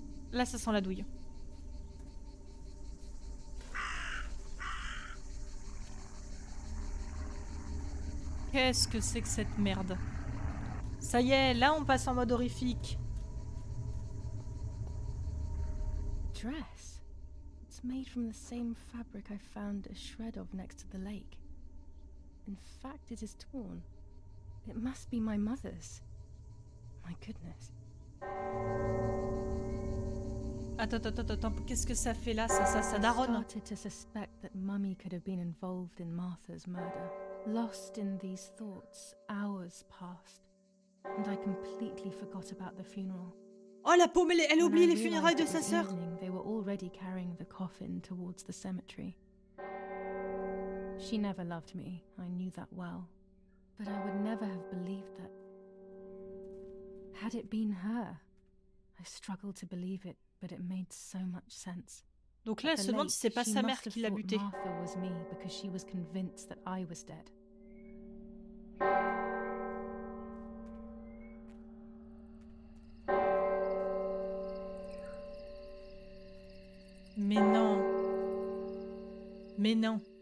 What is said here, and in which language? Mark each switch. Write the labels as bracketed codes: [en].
[fr] Là, ça sent la douille. Qu'est-ce que c'est que cette merde? Ça y est, là on passe en mode horrifique. [en] Dress. It's made from the same fabric I found a shred of next to the lake. In fact, it is torn. It must be my mother's. My goodness. [fr] Attends, qu'est-ce que ça fait là, ça daronne? [en] I started to suspect that Mummy could have been involved in Martha's murder. Lost in these thoughts, hours passed, and I completely forgot about the funeral. [fr] Oh, la paume, elle oublie les funérailles de sa sœur. [en] They were already carrying the coffin towards the cemetery. She never loved me, I knew that well. But I would never have believed that. Had it been her, I struggled to believe it. But it made so much sense. [fr] Donc là, elle se demande si c'est pas sa mère qui l'a buté. [en] Martha was me because she was convinced that I was dead. [fr] Mais non. Mais non.